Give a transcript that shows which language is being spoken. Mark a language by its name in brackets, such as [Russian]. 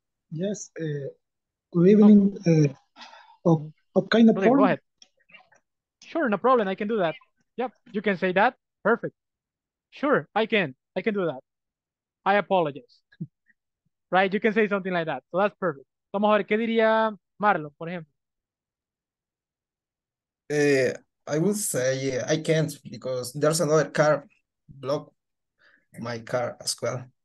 [English] Yes, good evening. Okay, no problem. Go ahead. Sure, no problem, I can do that. Yep, you can say that. Perfect. Sure, I can do that. I apologize. Right, you can say something like that. So that's perfect. [Spanish] Vamos a ver, ¿qué diría Marlon, por ejemplo? [English] I would say I can't because there's another car block my car as well.